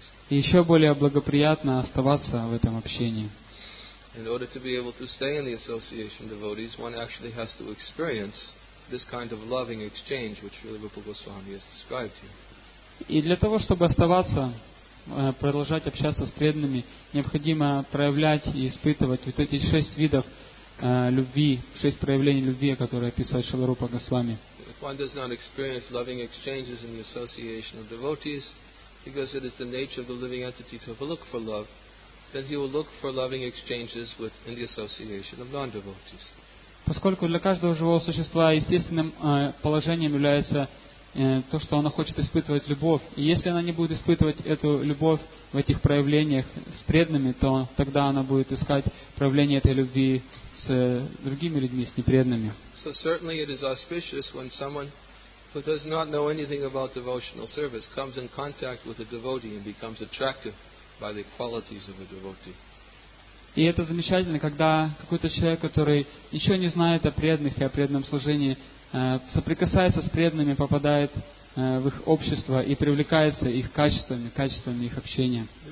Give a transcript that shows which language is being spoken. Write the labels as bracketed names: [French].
[Russian] И еще более благоприятно оставаться в этом общении. [English] In order to be able to stay in the association of devotees, one actually has to experience this kind of loving exchange, which Srila Rupa Goswami has described here. [Russian] И для того, чтобы оставаться, продолжать общаться с преданными, необходимо проявлять и испытывать вот эти шесть видов любви, шесть проявлений любви, которые описывает Шрила Рупа Госвами. [English] If one does not experience loving exchanges in the association of devotees, because it is the nature of the living entity to look for love, then he will look for loving exchanges within the association of non-devotees. [Russian] Поскольку для каждого живого существа естественным положением является то, что она хочет испытывать любовь. И если она не будет испытывать эту любовь в этих проявлениях с преданными, то тогда она будет искать проявление этой любви с другими людьми, с непреданными. [English] So certainly it is auspicious when someone who does not know anything about devotional service comes in contact with a devotee and becomes attracted by the qualities of a devotee. [Russian] И это замечательно, когда какой-то человек, который ничего не знает о преданных и о преданном служении, соприкасается с преданными, попадает в их общество и привлекается их качествами, качествами их общения.